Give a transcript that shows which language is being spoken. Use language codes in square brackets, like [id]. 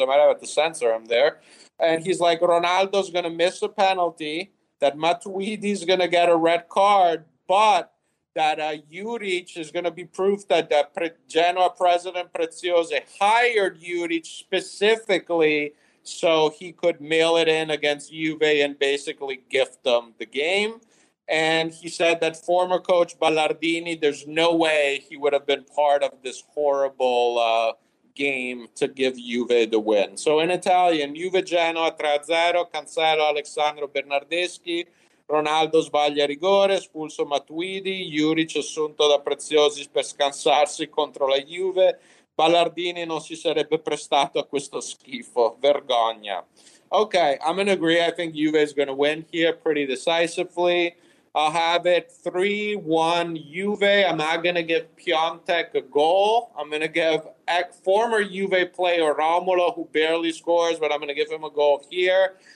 [en] I might have to censor him there. And he's like, Ronaldo's going to miss a penalty, that Matuidi's going to get a red card, but that Juric is going to be proof that the Genoa president Preziosi hired Juric specifically so he could mail it in against Juve and basically gift them the game. And he said that former coach Ballardini, there's no way he would have been part of this horrible game to give Juve the win. So in Italian, [it] Juve Genoa 3-0, Cancelo, Alessandro, Bernardeschi, Ronaldo sbaglia rigore, espulso Matuidi, Juric assunto da Preziosi per scansarsi contro la Juve, Ballardini non si sarebbe prestato a questo schifo, vergogna. [en] Okay, I'm going to agree, I think Juve is going to win here pretty decisively. I'll have it 3-1 Juve. I'm not going to give Piontek a goal. I'm going to give former Juve player Romulo, who barely scores, but I'm going to give him a goal here.